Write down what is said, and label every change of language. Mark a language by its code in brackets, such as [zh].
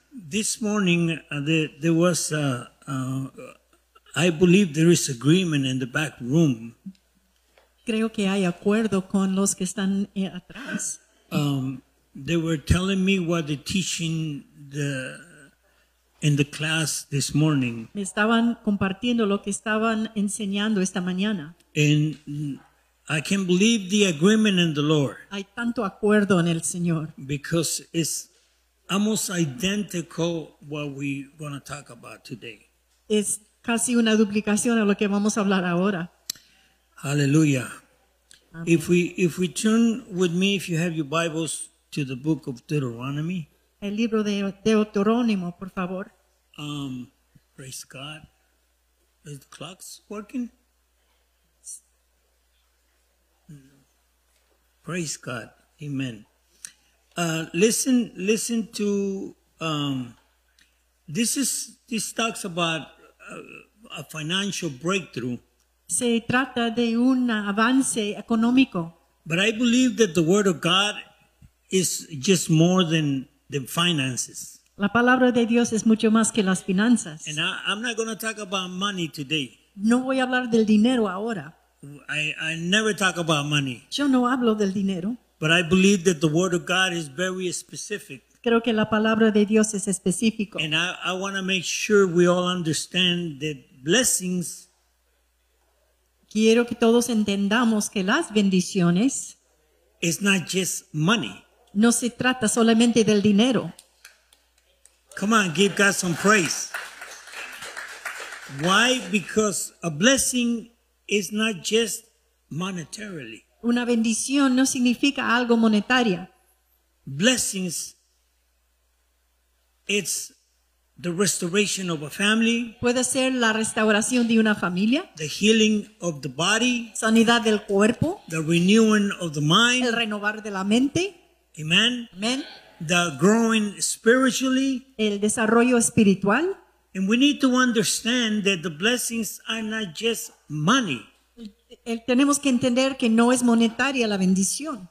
[en] This morning, there was, I believe there is agreement in the back room. [es] Creo que hay acuerdo con los que están atrás. [en] They were telling me what they're teaching in the class this morning. [es] Me estaban compartiendo lo que estaban enseñando esta mañana. [en] And I can believe the agreement in the Lord. [es] Hay tanto acuerdo en el Señor. [en] Because it's almost identical what we're going to talk about today. [es] Es casi una duplicación a lo que vamos a hablar ahora. [en] Hallelujah. Amen. If we turn with me, if you have your Bibles, to the book of Deuteronomy. [es] El libro de Deuteronomio, por favor. [en] Praise God. Is the clock working? Praise God. Amen. Listen to this talks about a financial breakthrough. [es] Se trata de un avance económico. [en] But I believe that the word of God is just more than finances. [es] La palabra de Dios es mucho más que las finanzas. [en] And I'm not going to talk about money today. [es] No voy a hablar del dinero ahora. [en] I never talk about money. [es] Yo no hablo del dinero. [en] But I believe that the word of God is very specific. [es] Creo que la palabra de Dios es específico. [en] And I want to make sure we all understand that blessings. [es] Quiero que todos entendamos que las bendiciones. [en] It's not just money. [es] No se trata solamente del dinero. [en] Come on, give God some praise. Why? Because a blessing is not just monetarily. [es] Una bendición no significa algo monetaria. [en] Blessings, it's the restoration of a family. [es] Puede ser la restauración de una familia. [en] The healing of the body. [es] Sanidad del cuerpo. [en] The renewing of the mind. [es] El renovar de la mente. [en] Amen. Amen. The growing spiritually. [es] El desarrollo espiritual. [en] And we need to understand that the blessings are not just money. [es] Tenemos que entender que no es monetaria la bendición.